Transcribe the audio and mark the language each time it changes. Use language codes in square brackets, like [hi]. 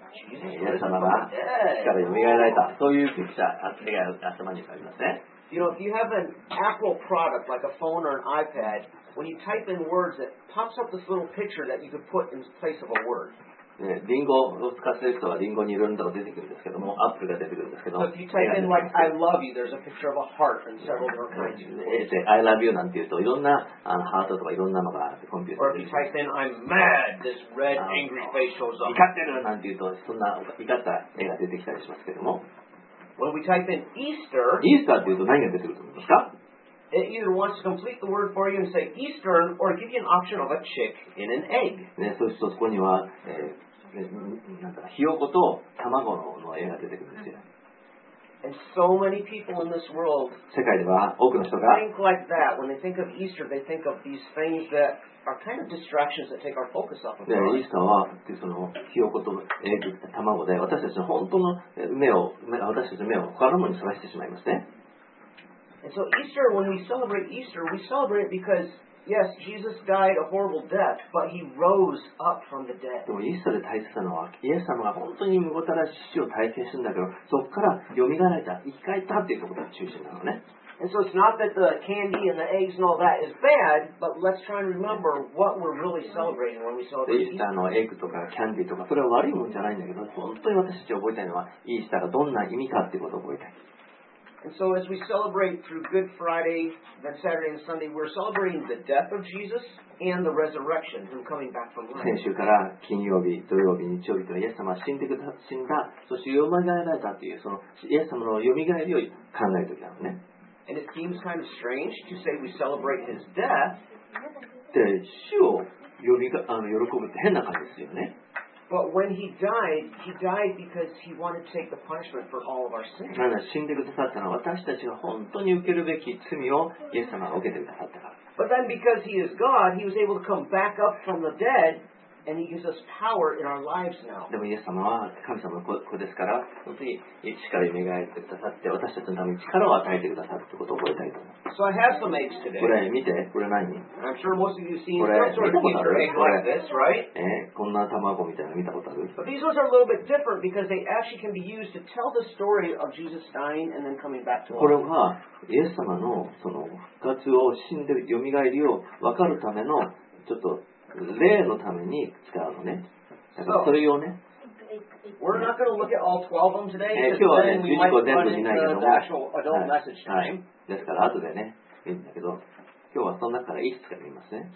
[ja] 皆さんが力を蘇られた、そういうピクチャー、絵が頭に浮かびますね。 [en] You know, if you have an Apple product like a phone or an iPad, when you type in words, it pops up this little picture that you could put in place of a word. [ja] ね、リンゴを使っている人はリンゴにいろんなのが出てくるんですけども、アップルが出てくるんですけども。 [en] So if you type in like I love you, there's a picture of a heart and several different kinds. [ja] で、 [en] I love you [ja] なんていうといろんなあのハートとかいろんなのがコンピューター。 [en] Or if you type in I'm mad, this red angry face shows up. [ja] 怒ってるなんていうとそんな怒った絵が出てきたりしますけども。 [en] When we type in Easter, [ja] Easter っていうと何が出てくると思いますか？ [en] It either wants to complete the word for you and say Eastern, or give you an option of a chick in an egg. [ja] ね、そうするとそこには、なんだろう、ひよこと卵の絵が出てくるんですよ。 [en] And so many people in this world, [ja] 世界では多くの人が、 [en] think like that. When they think of Easter, they think of these things that are kind of distractions that take our focus off of it. [ja] ね、イースターはってそのひよことエッグ卵で私たちの本当の目を他のものにそらしてしまいますね。 [en] And so Easter, when we celebrate it because yes, Jesus died a horrible death, but he rose up from the dead. [ja] でもイースターで大切なのは、イエス様が本当にむごたらし死を体験するんだけど、そこから蘇られた、生き返ったっていうところが中心なのね。 [en] And so it's not that the candy and the eggs and all that is bad, but let's try and remember what we're really celebrating when we celebrate Easter. [ja] イースターのエッグとかキャンディとか、それは悪いもんじゃないんだけど、本当に私たちが覚えたいのは、イースターがどんな意味かっていうことを覚えたい。 [en] And so as we celebrate through Good Friday, then Saturday and Sunday, we're celebrating the death of Jesus and the resurrection, him coming back from the dead. [ja] 先週から金曜日、土曜日、日曜日とイエス様は死んだ、そしてよみがえられたという、そのイエス様のよみがえりを考えるときなのね。 [en] And it seems kind of strange to say we celebrate his death. [ja] で、死をよみが、あの、喜ぶって変な感じですよね。 [en] But when he died because he wanted to take the punishment for all of our sins. [ja] なんだ、死んでくださったのは私たちが本当に受けるべき罪をイエス様が受けてくださったから。 [en] But then because he is God, he was able to come back up from the dead and he gives us power in our lives now. [ja] でもイエス様は神様の子ですから、本当に力を蘇ってくださって、私たちのために力を与えてくださるってことを覚えたいと思う。 [en] So I have some eggs today. [ja] これ見て、これ何？ [en] I'm sure most of you have seen some sort of Easter egg like this, right? [ja] こんな卵みたいなの見たことある？ [en] But these ones are a little bit different because they actually can be used to tell the story of Jesus dying and then coming back to life. [ja] これはイエス様のその復活を死んで蘇りを分かるためのちょっと例のために使うのね。だからそれをね。 [en] We're not going to look at all 12 of them today. [ja] 今日はね、12個全部見ないけども。はい。ですから後でね、見るんだけど、今日はその中からいくつか見ますね。